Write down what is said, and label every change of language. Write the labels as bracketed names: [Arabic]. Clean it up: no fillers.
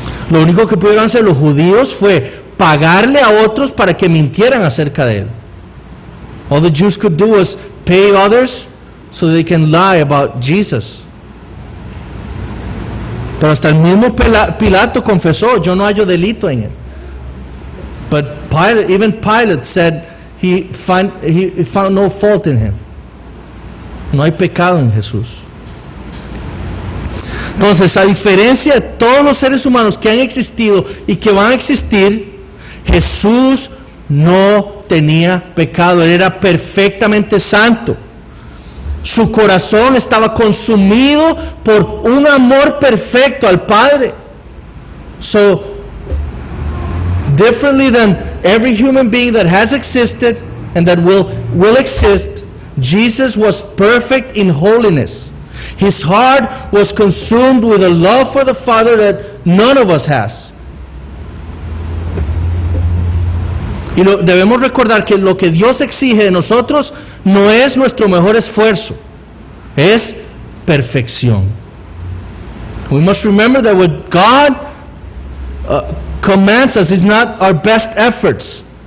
[Spanish] Lo único que pudieron hacer los judíos fue pagarle a otros para que mintieran acerca de él. [English] All the Jews could do was pay others so they can lie about Jesus. [Spanish] Pero hasta el mismo Pilato confesó: yo no hallo delito en él. [English] But Pilate, even Pilate said he found no fault in him. [Spanish] No hay pecado en Jesús. Entonces, a diferencia de todos los seres humanos que han existido y que van a existir, Jesús no tenía pecado. Él era perfectamente santo. Su corazón estaba consumido por un amor perfecto al Padre. [English] So, differently than every human being that has existed and that will exist, Jesus was perfect in holiness. His heart was consumed with a love for the Father that none of us has. [Spanish] Y debemos recordar que lo que Dios exige de nosotros no es nuestro mejor esfuerzo, es perfección. [English] We must remember that what God commands us is not our best efforts.